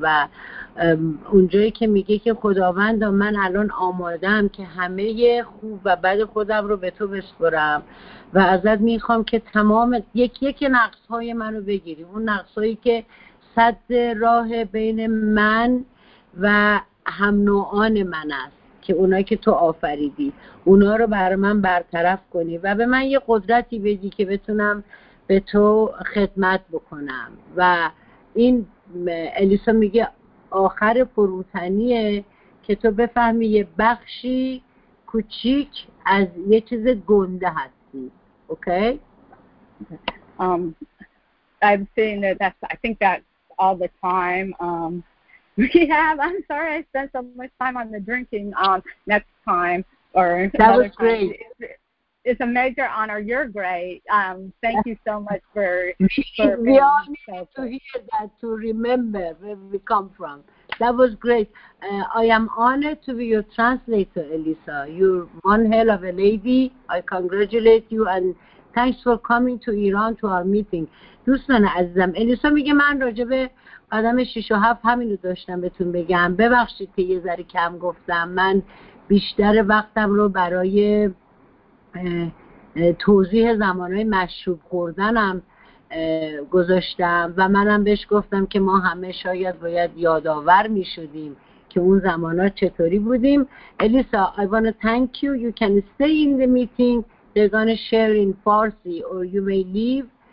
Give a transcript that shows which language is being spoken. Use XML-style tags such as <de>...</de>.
<fa>و اونجایی که میگه که خداوند من الان آمادم که همه خوب و بد خودم رو به تو بسپرم و ازت میخوام که تمام یک یک نقصهای من رو بگیری، اون نقصهایی که صد راه بین من و هم نوعان من است که اونایی که تو آفریدی اونا رو بر من برطرف کنی و به من یه قدرتی بدی که بتونم به تو خدمت بکنم. و این الیسا میگه آخر فروتنیه که تو بفهمی یه بخشی کوچیک از یه چیز گنده هستی.</fa> <en>Okay I've seen that. I think that's all the time we have. I'm sorry I spent so much time on the drinking. Next time or that was great. It's a major honor. You're great. Thank you so much for we all need to hear that, to remember where we come from. That was great. I am honored to be your translator, Elisa. You're one hell of a lady. I congratulate you and thanks for coming to Iran to our meeting.</en> <fa>دوستان عزیزم، الیسا میگه من راجب قدم 6 و 7 همین رو داشتم بهتون بگم. ببخشید که یه ذره کم گفتم. من بیشتر وقتم رو برای توضیح زمانهای مشروب خوردنم گذاشتم و منم بهش گفتم که ما همه شاید باید یادآور میشدیم که اون زمانها چطوری بودیم. الیسا،</fa> <en>I want to thank you. You can stay in the meeting. They're going to share in Farsi or you may leave.</en>